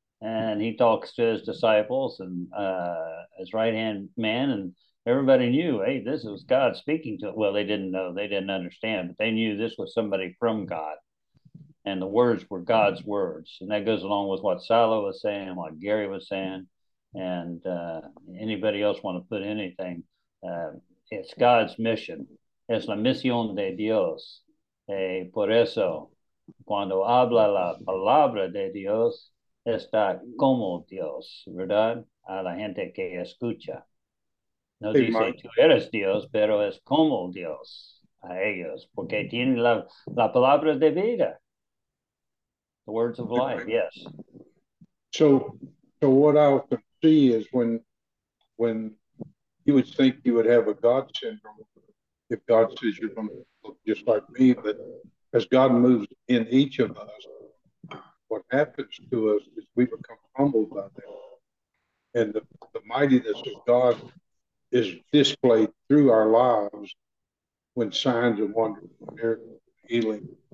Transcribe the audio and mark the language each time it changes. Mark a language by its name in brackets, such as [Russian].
[English] And he talks to his disciples and his right-hand man, and everybody knew, hey, this was God speaking to it. Well, they didn't know. They didn't understand. But they knew this was somebody from God. And the words were God's words. And that goes along with what Silo was saying, what Gary was saying. And anybody else want to put anything? It's God's mission. [Spanish] Es la misión de Dios. Por eso, cuando habla la palabra de Dios, está como Dios, ¿verdad? A la gente que escucha. No dice, tú eres Dios, pero es como Dios a ellos, porque tiene la palabra de vida, [English] the words of life, yes. So what I often see is when you would think you would have a God syndrome, if God says you're going to look just like me, but as God moves in each of us, what happens to us is we become humbled by that, and the mightiness of God is displayed through our lives when signs of wonder, miracle, healing.